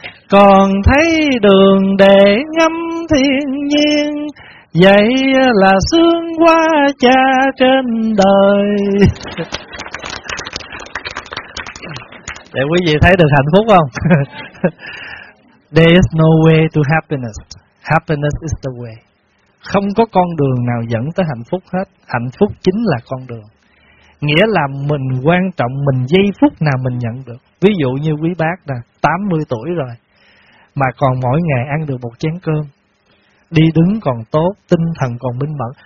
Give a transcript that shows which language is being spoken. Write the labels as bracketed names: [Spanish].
[Vietnamese] Còn thấy đường để ngắm thiên nhiên, vậy là sướng quá cha trên đời. Để quý vị thấy được hạnh phúc không? [English] There is no way to happiness. Happiness is the way. [Vietnamese] Không có con đường nào dẫn tới hạnh phúc hết. Hạnh phúc chính là con đường. Nghĩa là mình quan trọng mình giây phút nào mình nhận được. Ví dụ như quý bác nè, 80 tuổi rồi mà còn mỗi ngày ăn được một chén cơm, đi đứng còn tốt, tinh thần còn minh mẫn.